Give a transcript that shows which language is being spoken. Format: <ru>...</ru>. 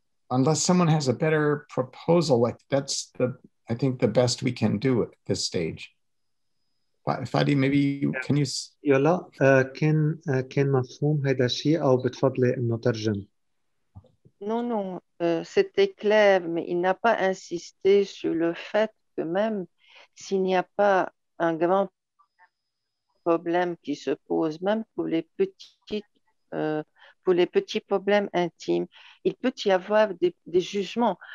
<en>Unless someone has a better proposal, like that's the, I think the best we can do at this stage. Fadi, maybe you, can you?</en> <ar>يلا كان مفهوم هذا الشيء أو بتفضلي إنه ترجم.</ar> <fr>Non, c'était clair, mais il n'a pas insisté sur le fait que même s'il n'y a pas un grand problème qui se pose, même pour les petits problèmes intimes, il peut y avoir des jugements.</fr>